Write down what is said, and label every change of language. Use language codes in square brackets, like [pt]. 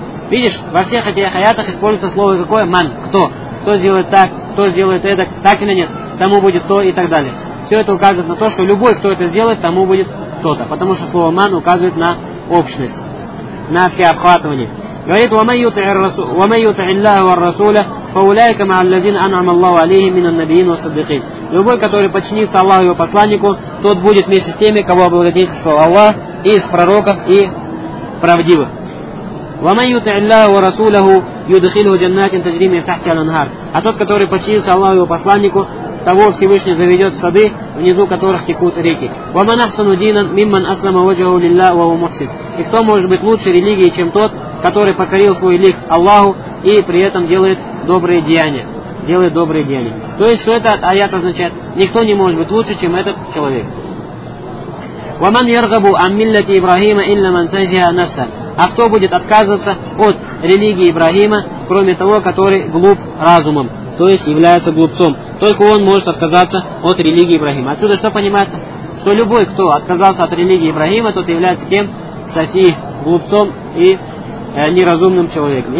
[ru] Видишь, во всех этих аятах используется слово какое? Ман. Кто? Кто сделает так? Кто сделает это? Так или нет? Тому будет то и так далее. Все это указывает на то, что любой, кто это сделает, тому будет то-то. Потому что слово ман указывает на общность, на всеохватывание. говорит, [ar] ومن يطع الله والرسول فأولئك مع الذين أنعم الله عليهم من النبيين والصديقين. [ru] Любой, который подчинится Аллаху и его посланнику, тот будет вместе с теми, кого облагодетельствовал Аллах, и из пророков, и правдивых. [ar] ومن يطع الله ورسوله يدخله جنات تجري من تحتها الأنهار. [ru] А тот, который подчинится Аллаху и его посланнику, того Всевышний заведет в сады, внизу которых текут реки. [ar] ومن أحسن دينا ممن أسلم وجهه لله وهو محسن. [ru] И кто может быть лучше религии, чем тот, который покорил свой лик Аллаху и при этом делает добрые деяния. Делает добрые деяния. То есть, что это аят означает? Никто не может быть лучше, чем этот человек. [ar] ومن يرغب عن ملة إبراهيم إلا من سفه نفسه. [ru] А кто будет отказываться от религии Ибрахима, кроме того, который глуп разумом, то есть является глупцом? Только он может отказаться от религии Ибрахима. Отсюда что понимается? Что любой, кто отказался от религии Ибрахима, тот является кем? Сафи, глупцом и неразумным человеком.